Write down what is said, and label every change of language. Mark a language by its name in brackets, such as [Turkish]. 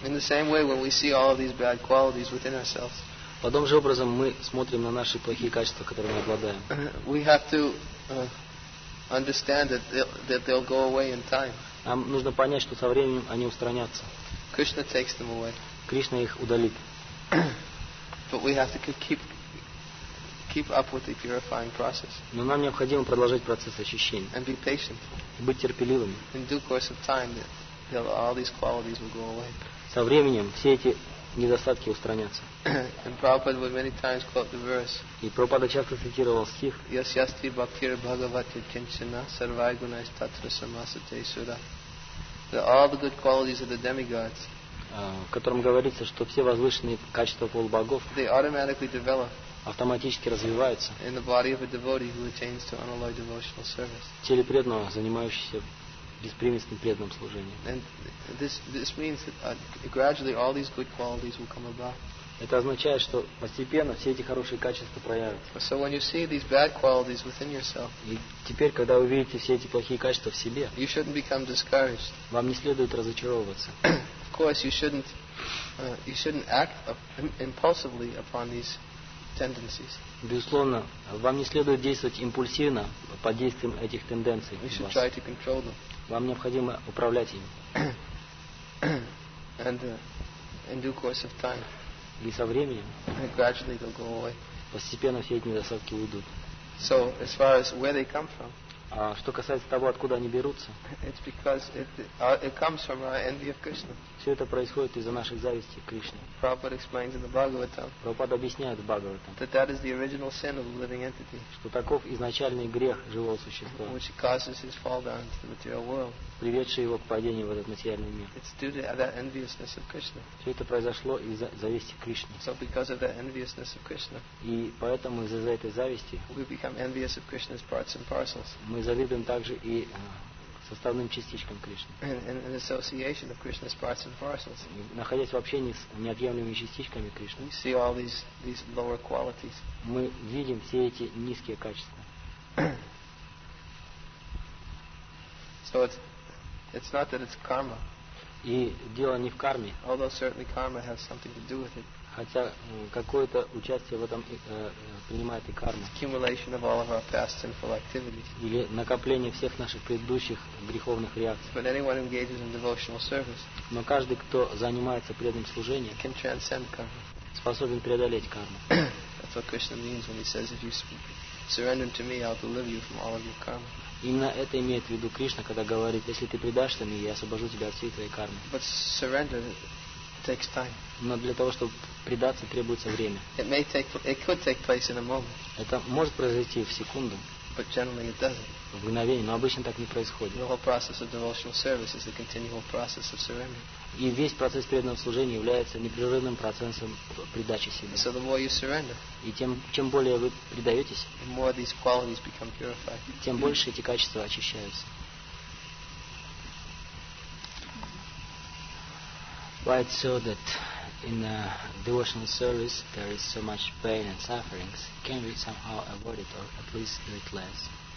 [English] In the same way, when we see all of these bad qualities within ourselves, [Russian] подобным же образом мы смотрим на наши плохие качества, которые мы обладаем. [English] We have to understand that they'll go away in time. [Russian] Нам нужно понять, что со временем они устранятся. [English] Krishna takes them away. [Russian] Кришна их удалит. [English] But we have to keep up with the purifying process. [Russian] Но нам необходимо продолжать процесс очищения. [English] And be patient. [Russian] Быть терпеливыми. [English] In due course of time, all these qualities will go away. [Russian] Со временем все эти недостатки устранятся. [English] And Prabhupada would many times quote the verse. [Russian] И Прабхупада часто цитировал стих. [Sanskrit] Yasyasti bhaktir bhagavati kinchana sarvai gunai tatra samasate sura. [English] That all the good qualities of the demigods, [Russian] в котором говорится, что все возвышенные качества полубогов, [English] they automatically develop, [Russian] автоматически развиваются, [English] in the body of a devotee who attains to unalloyed devotional service. [Russian] В теле преданного, занимающегося беспримесным преданным служением. [English] And this means that gradually all these good qualities will come about. [Russian] Это означает, что постепенно все эти хорошие качества проявятся. [English] So when you see these bad qualities within yourself, [Russian] и теперь, когда вы видите все эти плохие качества в себе, [English] you shouldn't become discouraged. [Russian] Вам не следует разочаровываться. [English] Of course, you shouldn't act impulsively upon these tendencies. [Russian] Безусловно, вам не следует действовать импульсивно под действием этих тенденций. [English] You should try to control them. [Russian] Вам необходимо управлять ими. [English] And in due course of time, [Russian] и со временем, [English] and gradually they'll go away. [Russian] Постепенно все эти недостатки уйдут. [English] So, as far as where they come from, [Russian] что касается того, откуда они берутся, [English] it's because it comes from our envy of Krishna. [Russian] Все это происходит из-за нашей зависти к Кришне. [English] Prabhupada explains in the Bhagavatam, [Russian] Prabhupada объясняет в Бхагаватам, [English] that is the original sin of the living entity, [Russian] что таков изначальный грех живого существа, [English] which causes his fall down into the material world, [Russian] приведший его к падению в этот материальный мир. [English] It's due to that enviousness of Krishna. [Russian] Все это произошло из-за зависти к Кришне. [English] So because of that enviousness of Krishna, [Russian] и поэтому из-за этой зависти, [English] we become envious of Krishna's parts and parcels. [Russian] Мы завидуем также и составным частичкам Кришны. [English] In association of Krishna's parts and parcels. [Russian] Находясь в общении с неотъемлемыми частичками Кришны. [English] We see all these lower qualities. [Russian] Мы видим все эти низкие качества. [English] So it's not that it's karma. [Russian] И дело не в карме. [English] Although certainly karma has something to do with it. [Russian] Хотя какое-то участие в этом принимает и карма. [English] Accumulation of all of our past sinful activities. [Russian] Или накопление всех наших предыдущих греховных реакций. [English] But anyone engages in devotional service. [Russian] Но каждый, кто занимается преданным служением, [English] can transcend karma. [Russian] Способен преодолеть карму. [English] That's what Krishna means when he says, if you surrender to me, I'll deliver you from all of your karma. [Russian] Именно это имеет в виду Кришна, когда говорит, если ты предашься мне, я освобожу тебя от всей твоей кармы. [English] But surrender takes time. [Russian] Но для того, чтобы предаться, требуется время. [English] It could take place in a moment. [Russian] Это может произойти в секунду. [English] But generally it doesn't. [Russian] В мгновение, но обычно так не происходит. [English] The whole process of devotional service is a continual process of surrender. [Russian] И весь процесс преданного служения является непрерывным процессом предачи себя. [English] So the more you surrender, [Russian] и чем более вы предаетесь, [English] the more these qualities become purified. [Russian] Тем больше эти качества очищаются. [English] Why it's so that in a devotional service there is so much pain and sufferings, can we somehow avoid it or at least do it less?